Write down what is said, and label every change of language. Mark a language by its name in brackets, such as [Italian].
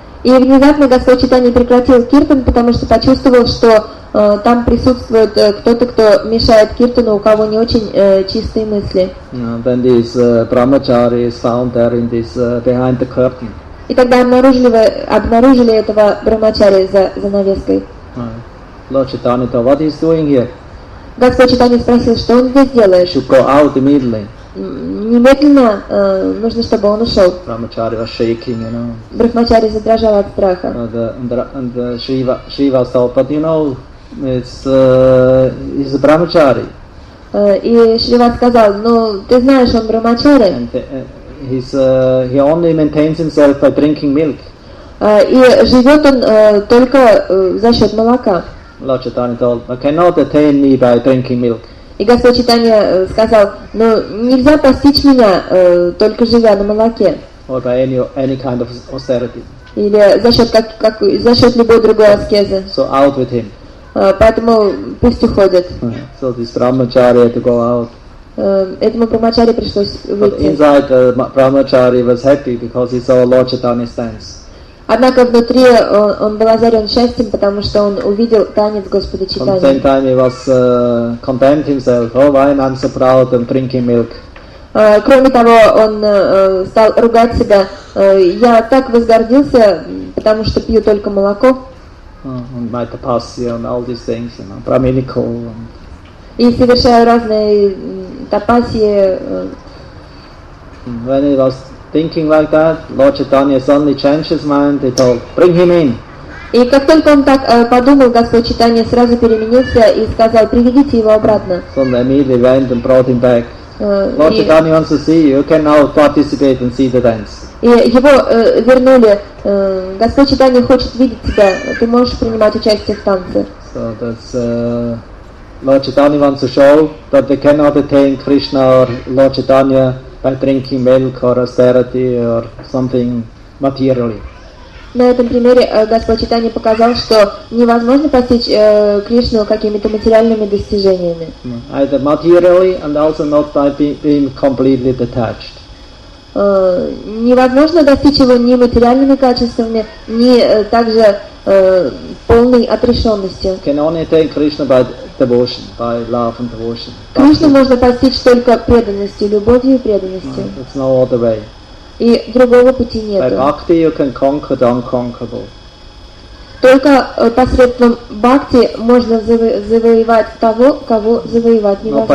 [Russian] И внезапно Господь Читания прекратил киртан, потому что почувствовал, что там присутствует кто-то, кто мешает киртану, у кого не очень чистые мысли. [English] Then this brahmachari is found there in this behind the curtain. [Russian] И тогда обнаружили этого брахмачари за навеской. [English] Lord Chaitanya thought, what is doing here? [Russian] Господь Читания спросил, что он здесь делает? [English] Should go out immediately. [Russian] Немедленно нужно, чтобы он ушел. [English] Брахмачари was shaking, you know. [Russian] Брахмачари задрожал от страха. [English] Shiva thought, but you know, he's a brahmachari. [Russian] И Шрива сказал, ну ты знаешь, он брахмачари. [English] He only maintains himself by drinking milk. [Russian] И живет он только за счет молока. [English] Lord Chaitanya told, I cannot attain me by drinking milk. [Russian] И Господь Читания сказал, ну нельзя постичь меня, только живя на молоке. [English] Or by any kind of austerity. [Russian] Или за счет любой другой аскезы. [English] So out with him. [Russian] Поэтому пусть уходит. [English] So this brahmachari had to go out. [Russian] Этому брахмачари пришлось выйти. [English] But inside the brahmachari was happy because he saw Lord Chaitanya's dance. [Russian] Однако внутри он был озарен счастьем, потому что он увидел танец Господа Читания. [English] At the same time he was condemned himself. Oh, why am I so proud and drinking milk? [Russian] Кроме того, он стал ругать себя. Я так возгордился, потому что пью только молоко. [English] And my tapasya and all these things, you know, brahminical. [Russian] И совершаю разные тапасии. [English] When he was thinking like that, Lord Chaitanya suddenly changed his mind. He told, "Bring him in." [Russian] И как только он так подумал, Господь Читания сразу переменился и сказал, приведите его обратно. [English] So they immediately went and brought him back. Lord Chaitanya wants to see you. You can now participate and see the dance. [Russian] И его вернули. Господь Чайтанья хочет видеть тебя. Ты можешь принимать участие в танце. [English] So that's Lord Chaitanya wants to show that they cannot attain Krishna or Lord Chaitanya by drinking milk or austerity or something materially. [Russian] На этом примере Господь Чайтанья показал, что невозможно постичь Кришну какими-то материальными достижениями. [English] Either materially and also not by being completely detached. [Russian] Невозможно достичь его ни материальными качествами, ни также полной отрешенностью. [English] Can only attain Krishna by devotion, by love and devotion. [Russian] Кришну можно постичь только преданностью, любовью и преданностью. [English] That's no other way. [Russian] И другого пути нет. [English] By bhakti you can conquer the unconquerable. [Russian] Только посредством бхакти можно завоевать того, кого завоевать невозможно.